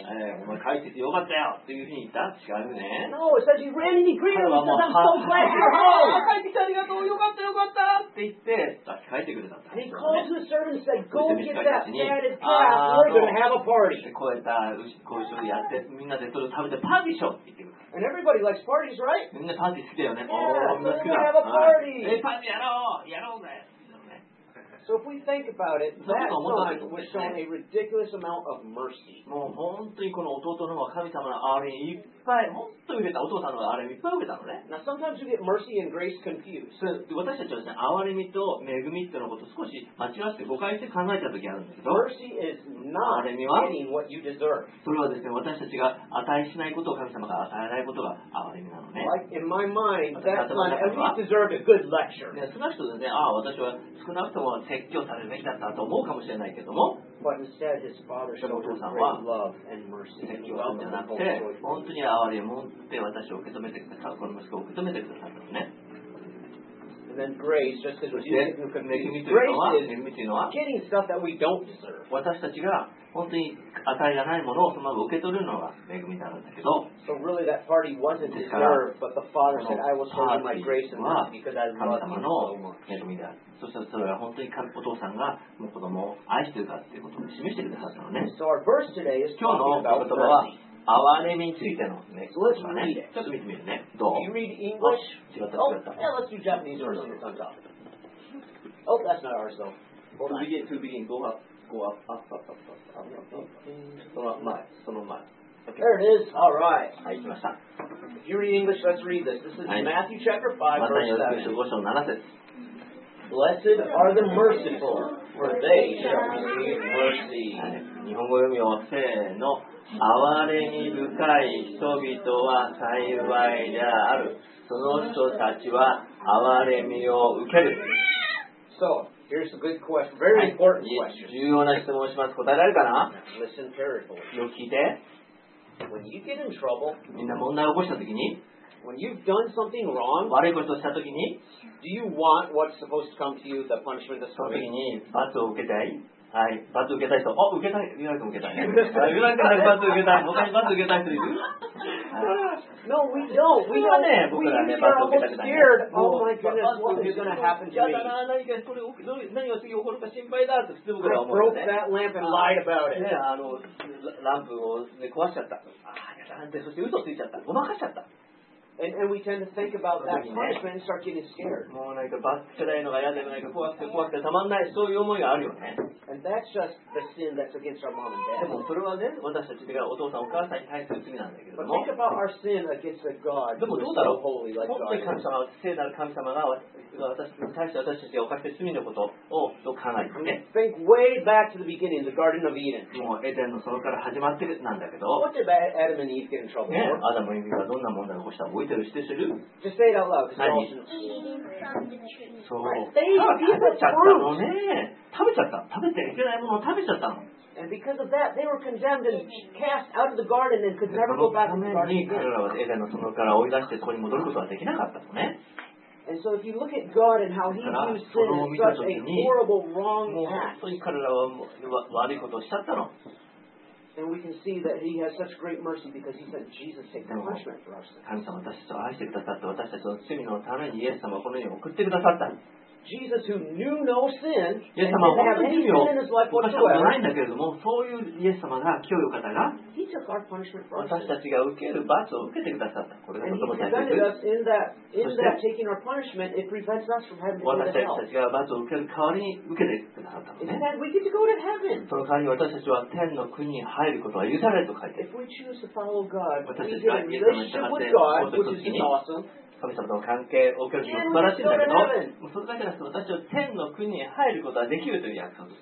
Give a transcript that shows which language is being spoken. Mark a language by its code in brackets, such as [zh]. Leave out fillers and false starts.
[ja] お前帰っててよかったよっていうふうに言った違うね。 [en] No, it says you ran into Greenwood. I'm so glad you're home. [ja] 帰ってきてありがとう。よかったよかったって言って、抱き帰ってくれたんだ。 [en] And he called to the servant and said, go get that fatted calf. We're going to have a party. [ja] こうやった牛、こういう人でやって、みんなでそれを食べてパーティーしようって言ってくれた。 [en] And everybody likes parties, right? [ja] みんなパーティー好きだよね。 [en] Yeah, we're going to have a party. [ja] Hey, パーティーやろう。やろうぜ。 [en] So if we think about it, that night was shown a ridiculous amount of mercy. [ja] もう本当にこの弟の方は神様のあれにいっぱい、もっと受けた、お父さんの方はあれにいっぱい受けたのね。 [en] Now sometimes you get mercy and grace confused. [ja] 私たちはですね、憐れみと恵みっていうのことを少し間違って誤解して考えた時あるんですけど、 [en] mercy is not getting what you deserve. [ja] それはですね、私たちが値しないことを神様が与えないことが憐れみなのね。 [en] Like in my mind, that night, at least deserved a good lecture. [ja] ね、その人でね、ああ、私は少なくとも説教されるべきだったと思うかもしれないけども、 [en] instead, his father showed great love and mercy. [ja] お父さんは説教するんじゃなくて、本当に憐れみを持って私を受け止めてくださった、この息子を受け止めてくださったのね。 [en] And then grace, just as we get to grace, getting stuff that we don't deserve. [ja] 私たちが本当に与えられないものをそのまま受け取るのが恵みなんだけど。 [en] So really, that party wasn't deserved, but the father said, "I will show you my grace and mercy because I love you so much." [ja] 神様の恵みだ。そしてそれは本当にお父さんがもう子供を愛しているかということを示してくださったのね。 [en] So our verse today is [ja] 今日の言葉は。憐れみについてのね、 [en] so、let's read it. [ja] ちょっと見てみるね。どう？ [en] Do you read English? [ja] 違った違った。 [en] Yeah, let's do Japanese version. Oh, that's not ours though. To begin, to begin, go up, go up, up, up, up, up, up, up, up, up. [ja] その前、その前。 [en] Okay. There it is. All right. [ja] はい、行きました。 [en] If you read English, let's read this. This is Matthew chapter 5, verse 7. [ja] マタイ福音書5章7節。 [en] Blessed are the merciful, for they shall receive mercy. [ja] 日本語読みをせーの。憐れみ深い人々は幸いである。その人たちは憐れみを受ける。 [en] So, here's a good question. Very important question. [ja] 重要な質問をします。答えられるかな？ [en] Listen carefully. [ja] よく聞いて。 [en] When you get in trouble, [ja] みんな問題を起こしたときに、 [en] When you've done something wrong, [ja] 悪いことをしたときに、 [en] Do you want what's supposed to come to you, the punishment that's coming? [ja] そのときに罰を受けたい？はい、罰受けたい人、あ、受けたい、ユナイト受けたい、ユナイトから罰受けたい、他に罰受けたい人いる？ [en] No, we don't. We [ja] are ね、僕らね、罰受けたくない。 [en] We are scared. Oh my goodness, what is going to happen to me? [ja] いやだな、何かこれ、何が次起こるか心配だと普通僕ら思って。 [en] I broke that lamp and lied about it. [ja] ね、あのランプを壊しちゃった。ああ、やだな、そして嘘ついちゃった、ごまかしちゃった。 [en] And we tend to think about that punishment and start getting scared. [ja] もうなんか罰せないのが嫌で、なんか怖くて怖くてたまんない、そういう思いがあるよね。 [en] And that's just the sin that's against our mom and dad. [ja] でもそれはね、私たちがお父さんお母さんに対する罪なんだけども。 [en] But think about our sin against the God. [ja] でもどうだろう、本当に神様、聖なる神様が私に対して私たちが犯した罪のことをどう考えるね。 [en] Think way back to the beginning, the Garden of Eden. [ja] もうエデンの園から始まってるなんだけど。 [en] What did Adam and Eve get in trouble for? [ja] アダムとエヴがどんな問題を起こしたの？覚えてる？知ってる？ [en] Just say it out loud. [ja] 何？そう。 [en] They ate the fruit. [ja] 食べちゃったのね。食べちゃった。食べていけないものを食べちゃったの。 [en] And because of that, they were condemned and cast out of the garden and could never go back to the garden again. [ja] このために彼らはエデンの園から追い出してここに戻ることはできなかったのね。 [en] And so if you look at God and how he views sin as such a horrible wrong act, then we can see that he has such great mercy because he sent Jesus to take punishment for us. [ja] 神様は私たちを愛してくださって、私たちの罪のためにイエス様をこの世に送ってくださった。 [en] Jesus who knew no sin, [ja] イエス様は本当に罪を犯したことないんだけれども、そういうイエス様が清い方が [en] he took our punishment for us. [ja] 私たちが受ける罰を受けてくださった。これが最大です。 [en] And he prevented us in that taking our punishment, it prevents us from having to go to hell. [ja] 私たちが罰を受ける代わりに受けてくださったのね。 [en] And then we get to go to heaven. [ja] その代わりに私たちは天の国に入ることは許されると書いてある。 [en] If we choose to follow God, [ja] 私たちがイエス様に従って [en] God, which is awesome. [ja] 神様との関係を受けるのも素晴らしいんだけど、もうそれだけだと私は天の国に入ることができるという約束です。